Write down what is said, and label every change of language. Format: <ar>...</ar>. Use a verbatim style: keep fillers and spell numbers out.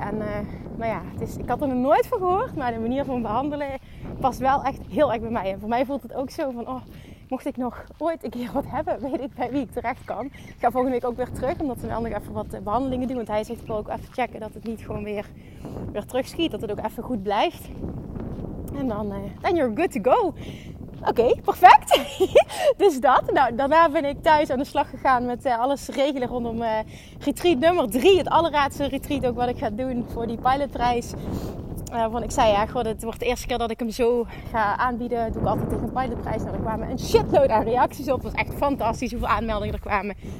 <nl>En, uh, maar ja, het is, ik had er nog nooit van gehoord. Maar de manier van behandelen past wel echt heel erg bij mij. En voor mij voelt het ook zo van, oh, mocht ik nog ooit een keer wat hebben, weet ik bij wie ik terecht kan. Ik ga volgende week ook weer terug, omdat we dan nog even wat behandelingen doen. Want hij zegt, ik wil ook even checken dat het niet gewoon weer, weer terugschiet. Dat het ook even goed blijft. En dan,</nl> <en>uh, then you're good to go.</en> <nl>Oké, okay, perfect. Dus dat. Nou, daarna ben ik thuis aan de slag gegaan met uh, alles regelen rondom uh, retreat nummer drie. Het allerlaatste retreat ook wat ik ga doen voor die pilotprijs. Uh, want ik zei ja, god, het wordt de eerste keer dat ik hem zo ga aanbieden. Dat doe ik altijd tegen een pilotprijs. Nou, er kwamen een shitload aan reacties op. Het was echt fantastisch hoeveel aanmeldingen er kwamen.</nl>